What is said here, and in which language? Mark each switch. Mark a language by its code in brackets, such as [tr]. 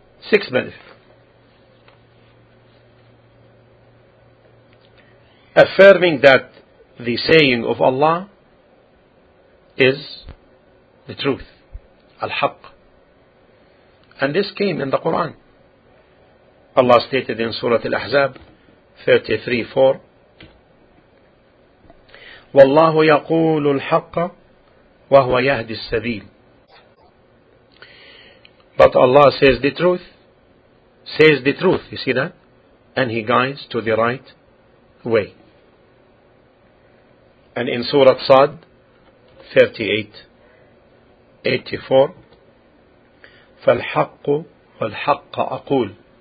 [en] Sixth benefit: affirming that the saying of Allah is the truth, al-haq. And this came in the Quran. Allah stated in Surah Al-Ahzab 33:4, [ar] وَاللَّهُ يَقُولُ الْحَقَّ وَهُوَ يَهْدِ السَّبِيلِ. [en] But Allah says the truth, you see that? And He guides to the right way. And in Surah Sad 38, 84 [ar] فالحق والحق أقول.